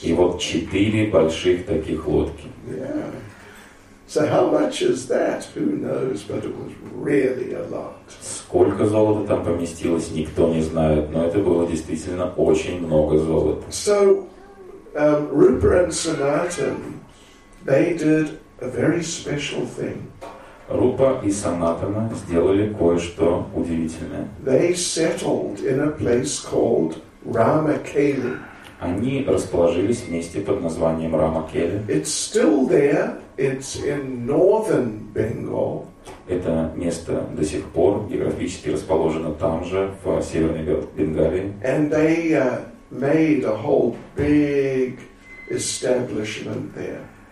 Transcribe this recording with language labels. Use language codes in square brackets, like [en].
[ru] И вот четыре больших таких лодки. [en] So how much is that? Who knows? But it was really a lot. [ru] Сколько золота там поместилось, никто не знает. Но это было действительно очень много золота. [en] So, Rupa and Sanatan, they did a very special thing. [ru] Рупа и Санатана сделали кое-что удивительное. [en] They settled in a place called Ramakeli. [ru] Они расположились вместе под названием Рамакели. [en] It's still there. It's in northern Bengal. [ru] Это место до сих пор географически расположено там же, в северной Бенгалии. [en] And they made a whole big establishment there.